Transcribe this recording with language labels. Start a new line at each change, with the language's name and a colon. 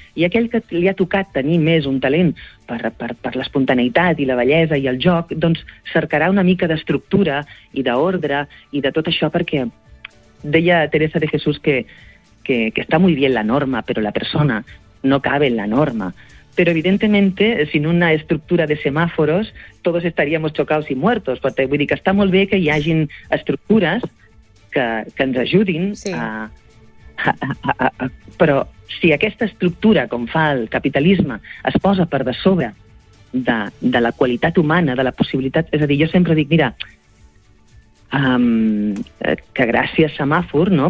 Catalan: I aquell que li ha tocat tenir més un talent per l'espontaneïtat i la bellesa i el joc, doncs cercarà una mica d'estructura i d'ordre i de tot això, perquè deia Teresa de Jesús que està molt bé la norma, però
Spanish: la persona no cabe en la norma. Però, evidentment, sin una estructura de semàforos, todos estaríamos chocados y muertos.
Catalan: Perquè, vull dir que està molt bé que hi hagin estructures que ens ajudin, sí, però si aquesta estructura, com fa el capitalisme, es posa per de sobre de la qualitat humana, de la possibilitat... És a dir, jo sempre dic, mira, que gràcies semàfor, no?